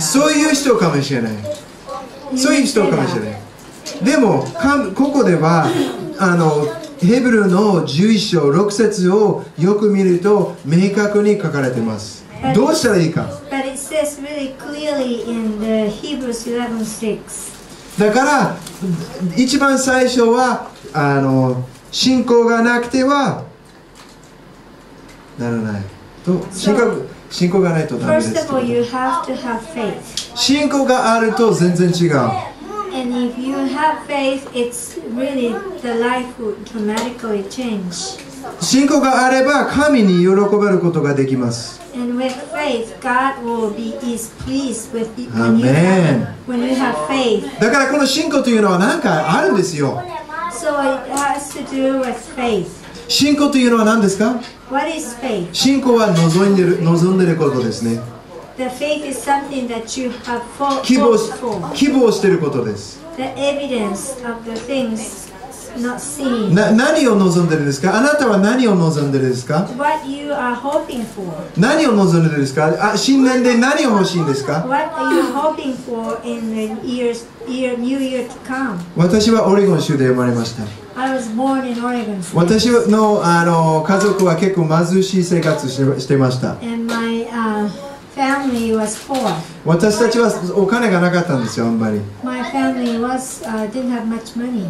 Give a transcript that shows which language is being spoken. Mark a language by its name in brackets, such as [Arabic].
[Japanese] そういう人かもしれない。そういう人かもしれない。でも、ここでは、ヘブルの11章6節をよく見ると明確に書かれています。どうしたらいいか。 [English] But it says really clearly in the Hebrews 11:6. [Japanese] だから、一番最初は、信仰がなくてはならない。と、信仰。信仰がないとダメです。 [English] First of all, you have to have faith. [Japanese] 信仰があると全然違う。 [English] And if you have faith, it's really the life will dramatically change. [Japanese] 信仰があれば神に喜ばることができます。 [English] And with faith, God will be is pleased with you when you have faith. [Japanese] だからこの信仰というのは何かあるんですよ。 [English] So it has to do with faith. [Japanese] 信仰というのは何ですか？ [English] What is faith? [Japanese] 信仰は望んでいることですね。 [English] The faith is something that you have hoped for. [Japanese] 希望していることです。 [English] The evidence of the things not seen. [Japanese] 何を望んでいるんですか？あなたは何を望んでいるんですか？ [English] What you are hoping for. [Japanese] 何を望んでいるんですか？新年で何を欲しいんですか？ [English] What are you hoping for in the new year to come? [Japanese] 私はオレゴン州で生まれました。 [English] I was born in Oregon. [Japanese] 私の家族は結構貧しい生活してました。 [English] And my family was poor. [Japanese] 私たちはお金がなかったんですよ、あんまり。 [English] My family was, didn't have much money.